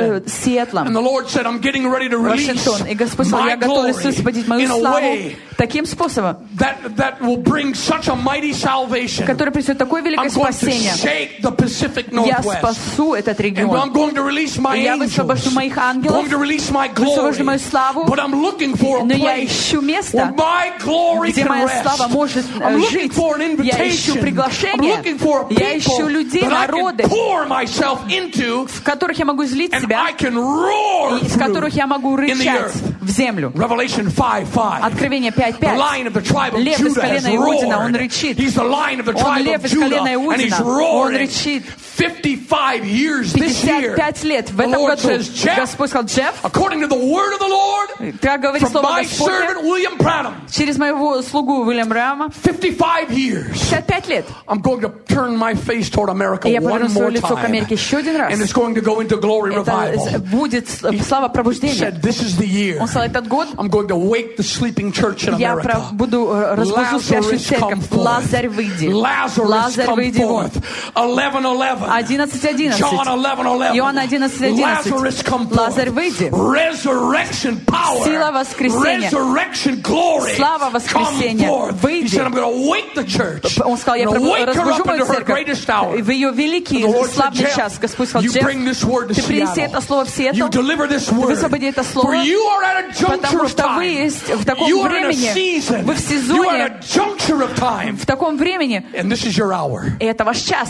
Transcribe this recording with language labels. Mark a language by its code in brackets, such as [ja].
[ru] Сиэтлом. Вашингтон. И Господь сказал, я готовлюсь освободить мою славу таким способом, [en] that will bring such a mighty salvation, [ru] который принесет такое великое спасение. Я спасу этот регион. [en] And I'm going to release my [ru] я высвобожу моих ангелов, [en] going to release my glory, [ru] высвобожу мою славу. [en] But I'm looking for a place where my glory can rest. I'm looking for an invitation. I'm looking for a people that [ru] народы, [en] I can pour myself into, [ru] в которых я могу излить себя, [en] and I can roar [ru] из которых я могу рычать в землю. [en] Revelation 5:5. [ru] Откровение 5:5. [en] The lion of the tribe of Judah has roared. He's the lion of the tribe of Judah, and he's roaring. 55 years this year. The Lord says, Jeff, according to the word of the Lord, from my servant William Branham, [ru] через моего слугу William Branham, [en] 55 years. [ru] 55 лет. [en] I'm going to turn my face toward America one more time. And it's going to go into glory revival. He said, this is the year. I'm going to wake the sleeping church in America. Lazarus, come forth. Lazarus, come forth. 11:11. [ru] 11:11. Лазарь, выйди. [en] Resurrection power. [ru] Сила воскресения. [en] Resurrection glory. [ru] Слава воскресения. Выйди. [en] He said, I'm going to wake the church. [ru] Он сказал, я разбужу мою церковь. В ее великий славный час. Господь сказал, Джефф, ты принеси это слово в Сиэтл. Ты высвободи это слово. Потому что вы есть в таком времени. Вы в сезоне. В таком времени. И это ваш час.